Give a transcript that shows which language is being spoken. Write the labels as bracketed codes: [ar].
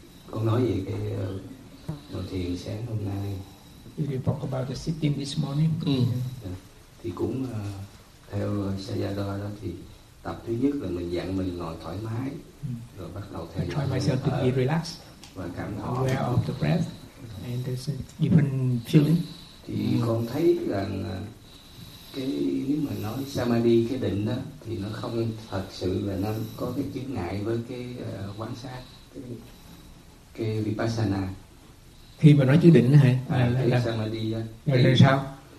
[vi] Con nói về cái ngồi thiền sáng hôm nay. [en] You talk about the sitting this morning. Mm. Yeah. [vi] Thì cũng theo Sayadaw đó thì tập thứ nhất là mình dặn mình ngồi thoải mái, rồi bắt đầu thiền. [en] I try myself to be relaxed. [vi] Và cảm thọ. [en] Aware of the breath and the different feeling. [vi] Thì con thấy rằng nếu mà nói samadhi cái định đó thì nó không thật sự là nó có cái chướng ngại với cái quan sát. Cái vipassana khi mà nói chữ định hả? Là samadhi là sao?